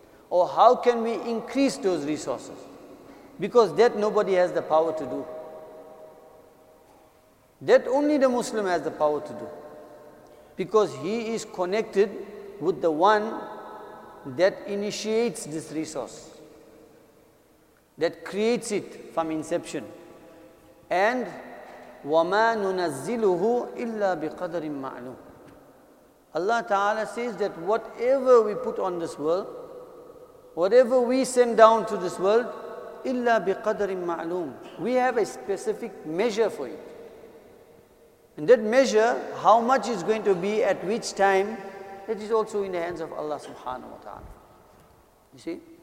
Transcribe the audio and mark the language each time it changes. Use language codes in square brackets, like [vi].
[en] Or how can we increase those resources? Because that nobody has the power to do. That only the Muslim has the power to do. Because he is connected with the one that initiates this resource, that creates it from inception. [ar] And وَمَا نُنَزِّلُهُ إِلَّا بِقَدَرٍ مَعْلُومٍ. [en] Allah Ta'ala says that whatever we put on this world, whatever we send down to this world, [ar] إِلَّا بِقَدَرٍ مَعْلُومٍ, [en] we have a specific measure for it. And that measure, how much is going to be at which time, that is also in the hands of Allah Subhanahu Wa Ta'ala. You see?